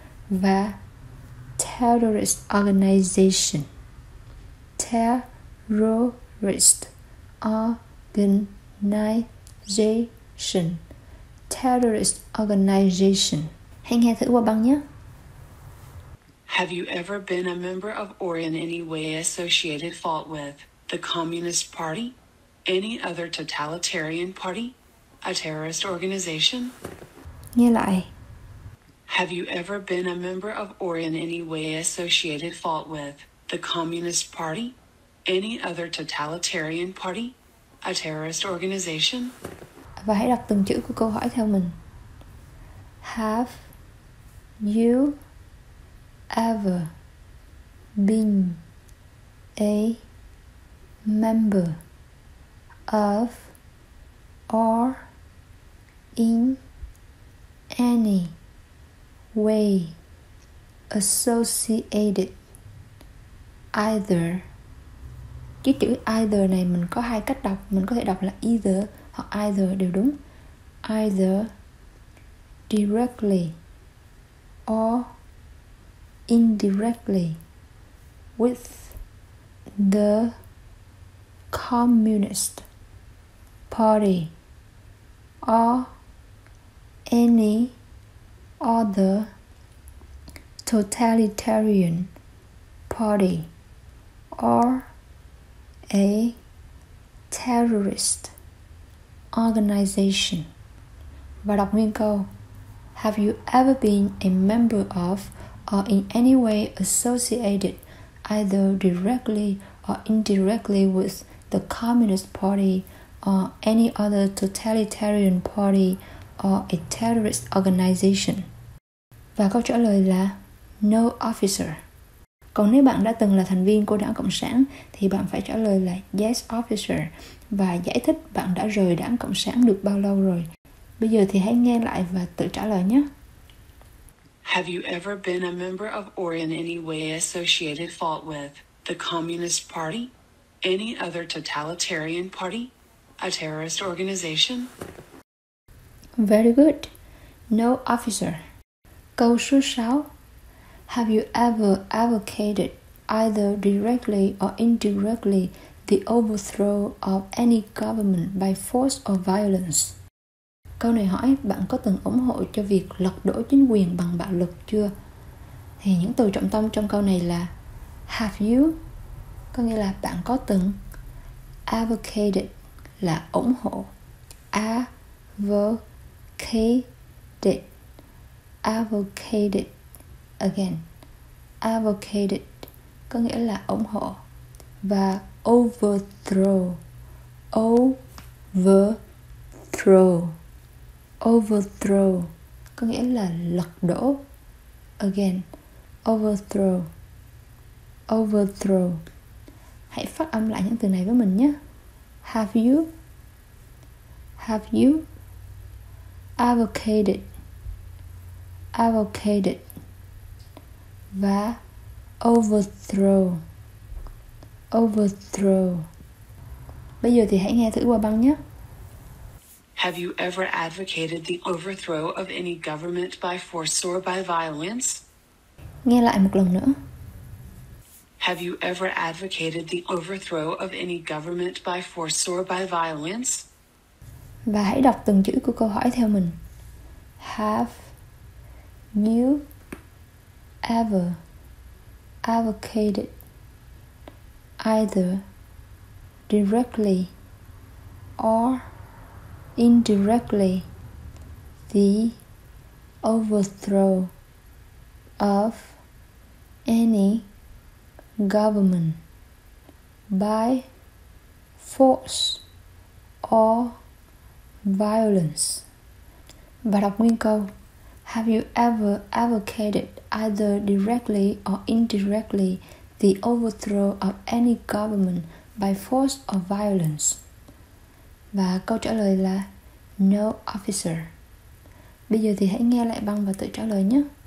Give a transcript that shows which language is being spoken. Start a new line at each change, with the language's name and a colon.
English: Và Terrorist Organization. Terrorist Organization. Terrorist Organization.
Vietnamese: Hãy nghe thử qua băng nhé.
English: Have you ever been a member of or in any way associated fault with the Communist Party? Any other totalitarian party? A terrorist organization?
Vietnamese: Nghe lại.
English: Have you ever been a member of or in any way associated fault with the Communist Party? Any other totalitarian party? A terrorist organization?
Vietnamese: Và hãy đọc từng chữ của câu hỏi theo mình.
English: Have you ever been a member of or in any way associated either?
Vietnamese: Cái chữ either này mình có hai cách đọc, mình có thể đọc là either hoặc either đều đúng.
English: Either directly or indirectly with the Communist Party or any other totalitarian party or a terrorist organization.
Vietnamese: Và đọc nguyên câu.
English: Have you ever been a member of or in any way associated either directly or indirectly with the Communist Party or any other totalitarian party or a terrorist organization?
Vietnamese: Và câu trả lời là
English: no officer.
Vietnamese: Còn nếu bạn đã từng là thành viên của đảng Cộng sản thì bạn phải trả lời là
English: yes officer
Vietnamese: và giải thích bạn đã rời đảng Cộng sản được bao lâu rồi. Bây giờ thì hãy nghe lại và tự trả lời nhé.
English: Have you ever been a member of or in any way associated fault with the Communist Party? Any other totalitarian party? A terrorist organization? Very good. No officer.
Vietnamese: Câu số 6.
English: Have you ever advocated either directly or indirectly the overthrow of any government by force or violence?
Vietnamese: Câu này hỏi bạn có từng ủng hộ cho việc lật đổ chính quyền bằng bạo lực chưa? Thì những từ trọng tâm trong câu này là
English: have you,
Vietnamese: có nghĩa là bạn có từng, advocated là ủng hộ, advocated, advocated, again, advocated có nghĩa là ủng hộ, và overthrow, overthrow, overthrow có nghĩa là lật đổ.
English: again. Overthrow. Overthrow.
Vietnamese: Hãy phát âm lại những từ này với mình nhé.
English: Have you? Have you? Advocated. Advocated. Và overthrow. Overthrow.
Vietnamese: Bây giờ thì hãy nghe thử qua băng nhé.
English: Have you ever advocated the overthrow of any government by force or by violence?
Vietnamese: Nghe lại một lần nữa.
English: Have you ever advocated the overthrow of any government by force or by violence?
Vietnamese: Và hãy đọc từng chữ của câu hỏi theo mình.
English: Have you ever advocated either directly or indirectly the overthrow of any government by force or violence?
Vietnamese: Và đọc nguyên câu.
English: Have you ever advocated either directly or indirectly the overthrow of any government by force or violence?
Vietnamese: Và câu trả lời là
English: no, officer.
Vietnamese: Bây giờ thì hãy nghe lại băng và tự trả lời nhé.